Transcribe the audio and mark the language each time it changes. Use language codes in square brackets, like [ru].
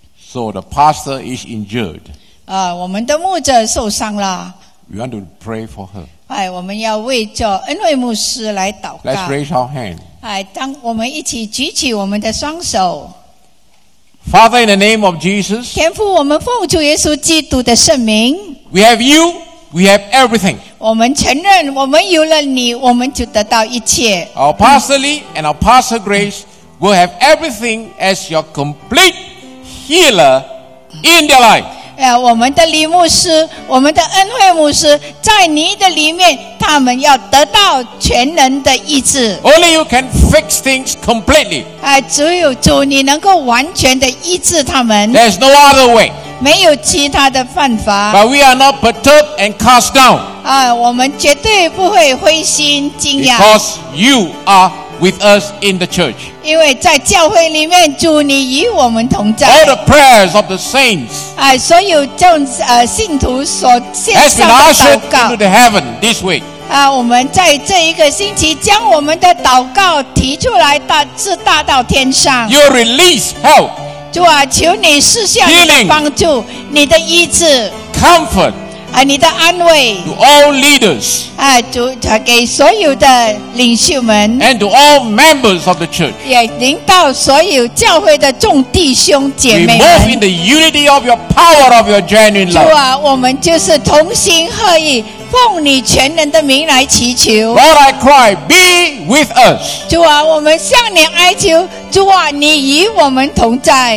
[en] So the pastor is injured. [zh] 我们的牧者受伤了。 [en] We want to pray for her. [zh] 我们要为着恩惠牧师来祷告。 [en] Let's raise our hand. [zh] 当我们一起举起我们的双手。 [en] Father, in the name of Jesus, [zh] 天父，我们奉主耶稣基督的圣名。 [en] We have you. We have everything. [zh] 我们承认我们有了你, 我们就得到一切。 [en] Our Pastor Lee and our Pastor Grace will have everything as your complete healer in their life. [zh] 我们的李牧师, 我们的恩惠牧师, 在你的里面, 他们要得到全能的医治。 [en] Only you can fix things completely. [zh] 只有主, 你能够完全的医治他们。 [en] There's no other way. [zh] 没有其他的办法。 [en] But we are not perturbed and cast down. [zh] 我们绝对不会灰心惊讶。 [en] Because you are with us in the church. [zh] 因为在教会里面, 主, 你与我们同在。 [en] All the prayers of the saints. [zh] 所有信徒所献上的祷告。 [en] Has been ushered into the heaven this week. [zh] 我们在这一个星期将我们的祷告提出来大到天上。 [en] You release help. [zh] 主啊, 求你施下你的帮助, [en] healing, [zh] 你的医治, [en] comfort, [zh] 你的安慰, [en] to all leaders, [zh] 给所有的领袖们, [en] and to all members of the church, [zh] 也领到所有教会的众弟兄姐妹们, [en] we move in the unity of your power, of your genuine love. [zh] 主啊, 我们就是同心合意, 奉你全能的名来祈求。 [en] Lord, I cry, be with us. [zh] 主啊, 我们向你哀求, 主啊, 你与我们同在。